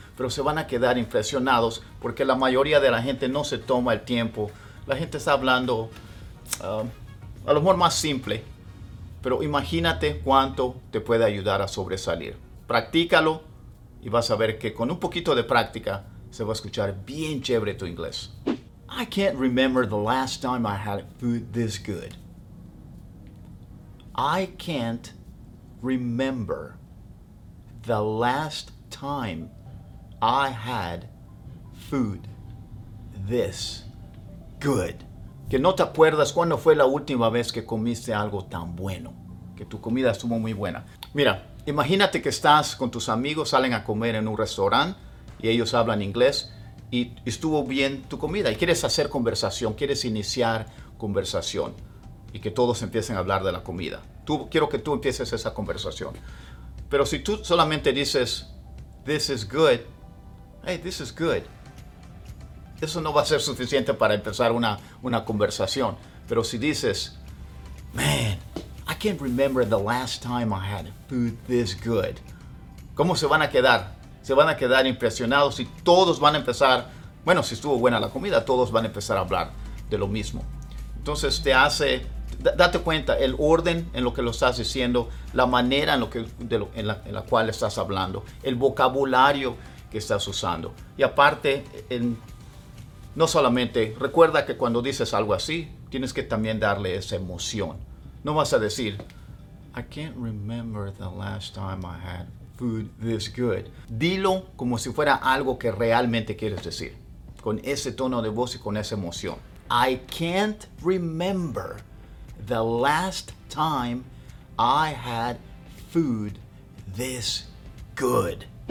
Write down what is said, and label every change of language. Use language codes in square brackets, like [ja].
[es] Pero se van a quedar impresionados porque la mayoría de la gente no se toma el tiempo. La gente está hablando a lo mejor más simple. Pero imagínate cuánto te puede ayudar a sobresalir. Practícalo. Y vas a ver que con un poquito de práctica se va a escuchar bien chévere tu inglés. [en] I can't remember the last time I had food this good. I can't remember the last time I had food this good. [es] Que no te acuerdas cuándo fue la última vez que comiste algo tan bueno. Que tu comida estuvo muy buena. Mira. Imagínate que estás con tus amigos, salen a comer en un restaurante y ellos hablan inglés y estuvo bien tu comida y quieres hacer conversación, quieres iniciar conversación y que todos empiecen a hablar de la comida. Quiero que tú empieces esa conversación. Pero si tú solamente dices, [en] this is good, hey, this is good, [es] eso no va a ser suficiente para empezar una conversación. Pero si dices, [en] man, I can't remember the last time I had food this good. [es] ¿Cómo se van a quedar? Se van a quedar impresionados y todos van a empezar, bueno, si estuvo buena la comida, todos van a empezar a hablar de lo mismo. Entonces te hace, date cuenta, el orden en lo que lo estás diciendo, la manera en la cual estás hablando, el vocabulario que estás usando. Y aparte, no solamente, recuerda que cuando dices algo así, tienes que también darle esa emoción. No vas a decir, [en] I can't remember the last time I had food this good. [es] Dilo como si fuera algo que realmente quieres decir. Con ese tono de voz y con esa emoción. [en] I can't remember the last time I had food this good.